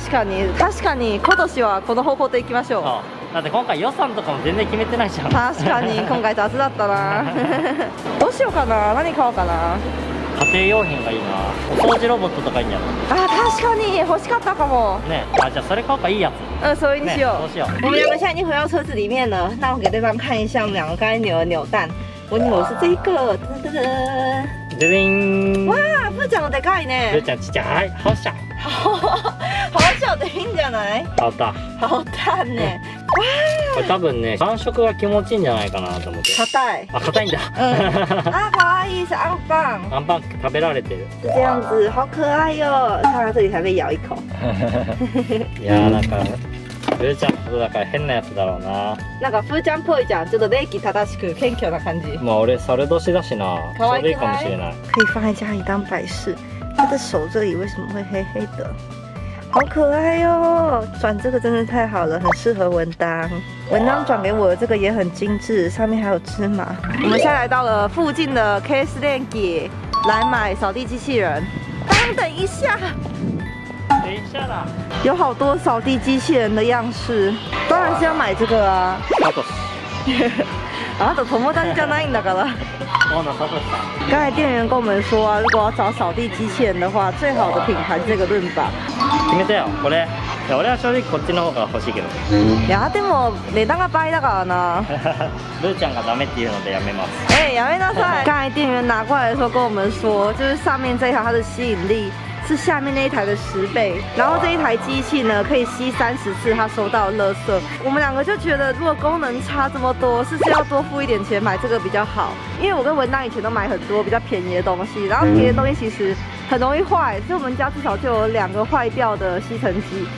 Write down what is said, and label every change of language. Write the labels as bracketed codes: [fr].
[ja] 確かに確かに、今年はこの方法で行きましょう。そう。だって今回予算とかも全然決めてないじゃん。確かに今回雑だったな。どうしようかな、何買おうかな。家庭用品がいいな。お掃除ロボットとかいいんやろ。あ、確かに欲しかったかも。ね、あ、じゃあそれ買おうか、いいやつ。 [zh] 嗯，所以你有。我们两个现在已经回到车子里面了，那我给对方看一下我们两个刚才扭的扭蛋。我扭是这个，噔噔噔。哇，副长大概呢？副长，小孩好小。好小的，听见没？好大。好大呢。哇。 [ja] これ多分ね、感触が気持ちいいんじゃないかなと思って。硬い。あ、硬いんだ。 [zh] 啊，可爱，是アンパン。 [ja] アンパン食べられてる。 [zh] 是这样子，好可爱哟、哦！看到这里才被咬一口。 [ja] いやーなんか。ルーちゃんことだから変なやつだろうな。なんかフーちゃんっぽいじゃん。ちょっと礼儀正しく謙虚な感じ。まあ俺猿年だしな。可愛いかもしれない。 [zh] 可以放在家里当摆饰。他的手这里为什么会黑黑的？好可爱哟、喔！转这个真的太好了，很适合文当。文当转给我的这个也很精致，上面还有芝麻。我们现在来到了附近的 Case Lenki。来买扫地机器人。等等一下，等一下啦，有好多扫地机器人的样式，当然是要买这个啊。 [ja] サトシ。あと友達じゃないんだから。オーナーサトシさん。 [zh] 刚才店员跟我们说啊，如果要找扫地机器人的话，最好的品牌是这个润吧。 [ja] 決めたよ、これ。俺は正直こっちの方が欲しいけど。いやでも値段が倍だからな。ルーちゃんがダメっていうのでやめます。哎，やめなさい。 [zh] 刚才店员拿过来的时候跟我们说，就是上面这一条它的吸引力是下面那一台的十倍，然后这一台机器呢可以吸30次它收到的垃圾。我们两个就觉得，如果功能差这么多，是不是要多付一点钱买这个比较好？因为我跟文当以前都买很多比较便宜的东西，然后便宜的东西其实很容易坏，所以我们家至少就有两个坏掉的吸尘机。